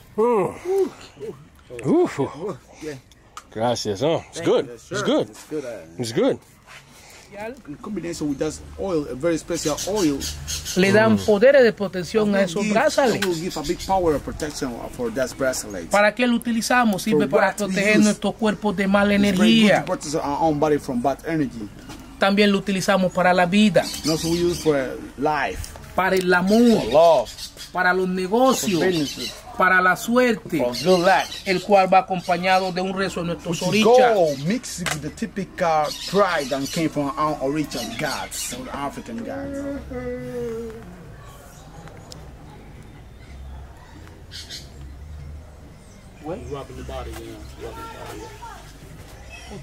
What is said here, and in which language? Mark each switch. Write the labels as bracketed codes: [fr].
[en] Ooh. Ooh. Yeah. Gracias. Oh, it's good. It's good. It's good. It's good. In combination with that oil, a very special oil, [es] le dan poderes de protección a esos brazalets. [en] Will give a big power of protection for that bracelet. [es] ¿Para qué lo utilizamos? Sirve para proteger nuestros cuerpos de mala energía. [en] To protect our own body from bad energy. [es] También lo utilizamos para la vida. [en] Also we use for life. [es] Para el amor. [en] For love. [es] Para los negocios. [en] For businesses. [es] Para la suerte, el cual va acompañado de un rezo de nuestros orichas. [en] Mixed with the typical pride that came from our original gods, our African gods. What? Rubbing the body, you know. Rubbing the body, yeah.